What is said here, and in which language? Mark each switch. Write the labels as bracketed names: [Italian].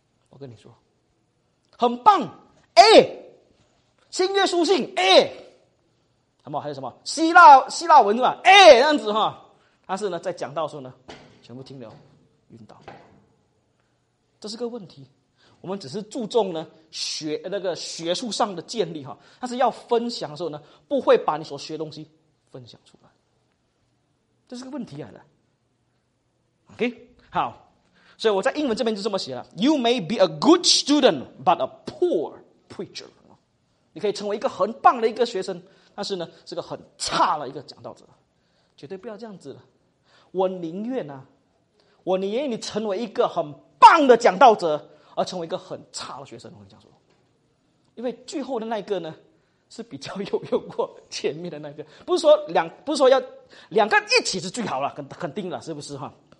[Chinese] 我跟你说，很棒 A。新约书信 A 什么还有什么希腊文是吧 A 这样子哈，但是呢在讲到的时候呢全部听了晕倒，这是个问题。我们只是注重呢学术上的建立哈，但是要分享的时候呢不会把你所学的东西分享出来，这是个问题来的。 OK， 好，所以我在英文这边就这么写了， [English] You may be a good student but a poor preacher。 [Chinese] 你可以成为一个很棒的一个学生，但是呢是个很差的一个讲道者，绝对不要这样子了。我宁愿啊，我宁愿你成为一个很棒的讲道者而成为一个很差的学生。我跟你讲说，因为最后的那个呢是比较有用过前面的那个，不是说两，不是说要两个一起是最好了，肯定了，是不是哈？